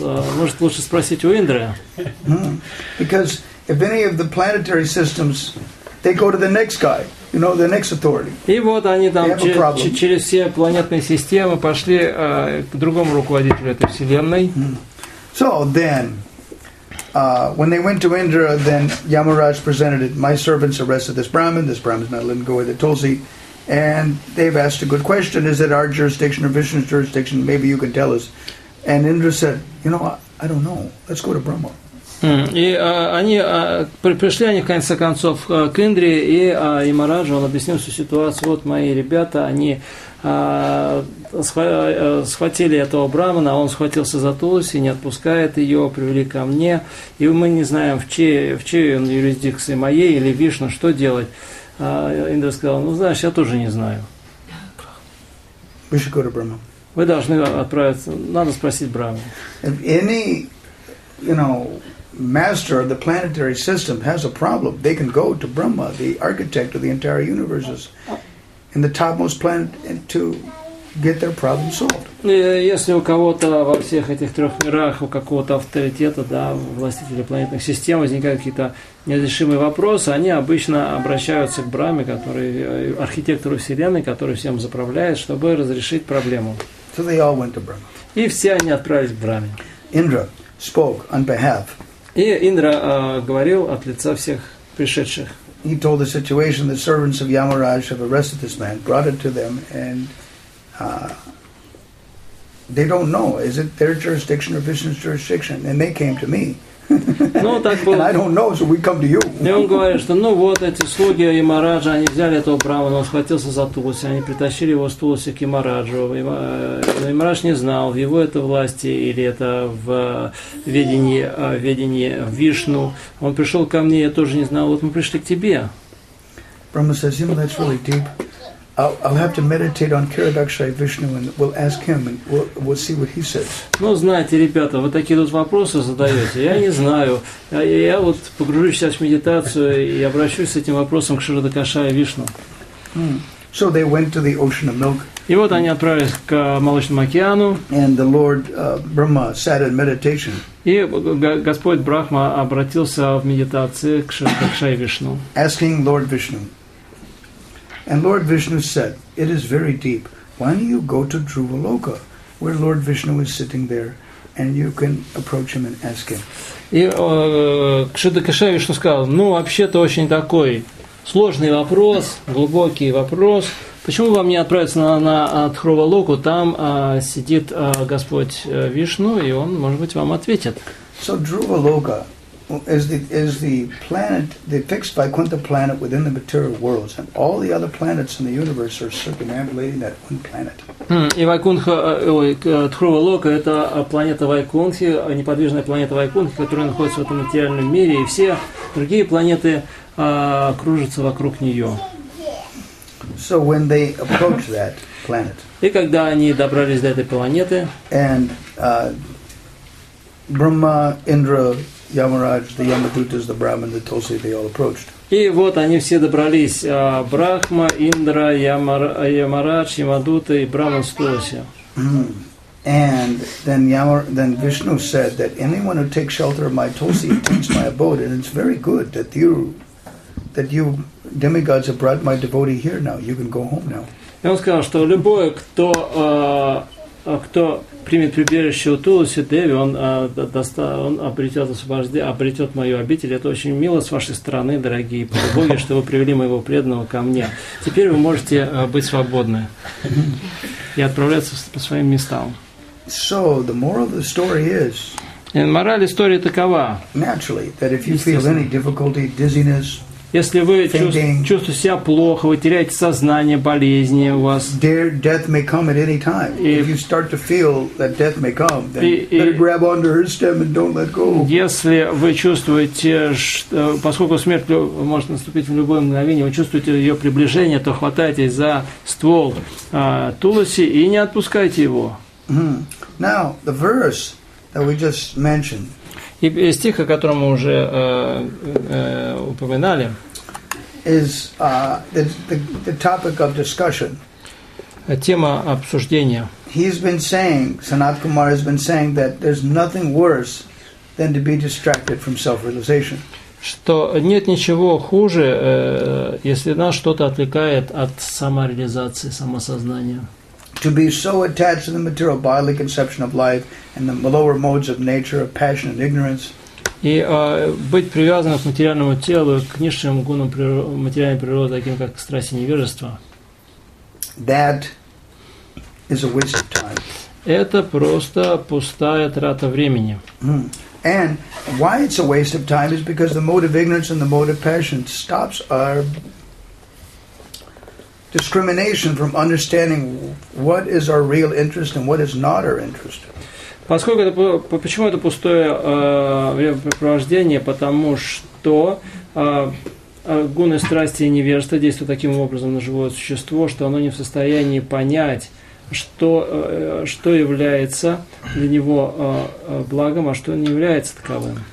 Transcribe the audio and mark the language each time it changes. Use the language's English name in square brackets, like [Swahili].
[Russian] Может, лучше спросить у Индры. [English] Because if any of the planetary systems, they go to the next guy. You know, the next authority. [Russian] И вот они там через все планетные системы пошли к другому руководителю этой вселенной. [English] So then, when they went to Indra, then Yamaraj presented it. My servants arrested this Brahmin. This Brahmin is not letting go of the Tulsi. And they've asked a good question. Is it our jurisdiction or Vishnu's jurisdiction? Maybe you can tell us. And Indra said, you know, I don't know. Let's go to Brahma. [Russian] И пришли они, в конце концов, к Индре, и Ямараджу он объяснил всю ситуацию. Вот мои ребята, они схватили этого брамана, он схватился за Туласи, не отпускает ее, привели ко мне, и мы не знаем, в чьей он юрисдикции, моей или Вишну, что делать. Индра сказал, ну, знаешь, я тоже не знаю. Вы должны отправиться, надо спросить Брахмана. [English] Master of the planetary system has a problem. They can go to Brahma, the architect of the entire universe, and the topmost planet, and to get their problem solved. [Russian] Если у кого-то во всех этих трех мирах у какого-то авторитета, да, властителя планетных систем возникают какие-то неразрешимые вопросы, они обычно обращаются к Брахме, который архитектору вселенной, который всем заправляет, чтобы разрешить проблему. [English] So they all went to Brahma. [Russian] И все они отправились к Брахме. [English] Indra spoke on behalf. [Russian] И Индра говорил от лица всех пришедших. [English] He told the situation, the servants of Yamaraj have arrested this man, brought it to them, and they don't know, is it their jurisdiction or Vishnu's jurisdiction? And they came to me. [Russian] Ну, так вот. [English] And I don't know, so we come to you. [Russian] И он говорит, что ну вот эти слуги Ямараджа, они взяли этого брамана, он схватился за Туласи, они притащили его с Туласи к Ямараджу. Но Ямарадж не знал, в его это власти или это в ведении Вишну. Он пришел ко мне, я тоже не знал, вот мы пришли к тебе. [English] Brahma says, you know, that's really deep. I'll have to meditate on Kiradakshaya Vishnu and we'll ask him and we'll see what he says. [Russian] Ну, знаете, ребята, вы такие тут вопросы задаете. Я не знаю. Я вот погружусь сейчас в медитацию и обращусь с этим вопросом к Кширадакшае Вишну. [English] So they went to the ocean of milk. [Russian] И вот они отправились к молочному океану. [English] And the Lord Brahma sat in meditation. [Russian] И Господь Брахма обратился в медитации к Кширадакшае Вишну. [English] Asking Lord Vishnu. And Lord Vishnu said, it is very deep. Why don't you go to Dhruvaloka, where Lord Vishnu is sitting there, and you can approach him and ask him. [Russian] И Кширадакшае Вишну сказал, ну, вообще-то очень такой сложный вопрос, глубокий вопрос. Почему вам не отправиться на Дхрувалоку? Там сидит Господь Вишну, и он, может быть, вам ответит. [English] So Dhruvaloka is the planet, the fixed Vaikuntha planet within the material worlds, and all the other planets in the universe are circumambulating that one planet. [Russian] И Вайкунха, ой, Дхрувалока – это планета Вайкунхи, неподвижная планета Вайкунхи, которая находится в этом материальном мире, и все другие планеты кружатся вокруг нее. [English] So when they approached that planet, [Russian] и когда они добрались до этой планеты, [English] and Brahma, Indra, Yamaraj, the Yamadutas, the Brahman, the Tulsi, they all approached. [Russian] И вот они все добрались: Брахма, Индра, Ямарадж, Ямадута и Браман Тулси. [English] And then Vishnu said that anyone who takes shelter of my Tulsi takes my abode, and it's very good that you demigods have brought my devotee here now. You can go home now. [Russian] И он сказал, что любой, кто примет прибежище у Туласи Деви, он обретет освобождение, обретет мою обитель. Это очень мило с вашей стороны, дорогие боги, что вы привели моего преданного ко мне. Теперь вы можете быть свободны и отправляться по своим местам. [English] So, the moral of the story is, [Russian] мораль истории такова. [English] Naturally, that if you feel any difficulty, dizziness, [Russian] если вы чувствуете себя плохо, вы теряете сознание, болезни у вас. [English] Death may come at any time. If you start to feel that death may come, then better grab onto her stem and don't let go. [Russian] Если вы чувствуете, что, поскольку смерть может наступить в любое мгновение, вы чувствуете ее приближение, то хватайтесь за ствол Туласи и не отпускайте его. [English] Now, the verse that we just mentioned. [Russian] И стих, о котором мы уже упоминали, [English] is the topic of discussion. [Russian] Тема обсуждения. [English] He's been saying, Sanat Kumar has been saying that there's nothing worse than to be distracted from self-realization. [Russian] Что нет ничего хуже, если нас что-то отвлекает от самореализации, самосознания. [English] To be so attached to the material bodily conception of life and the lower modes of nature, of passion and ignorance. [Russian] И быть привязанным к материальному телу, к низшим гунам материальной природы, таким как страсть и невежество. [English] That is a waste of time. [Russian] Это просто пустая трата времени. [English] And why it's a waste of time is because the mode of ignorance and the mode of passion stops our discrimination from understanding what is our real interest and what is not our interest. [Russian] Почему это пустое времяпрепровождение? Потому что гуны страсти и невежества действуют таким образом на живое существо, что оно не в состоянии понять, что является для него благом, а что не является таковым.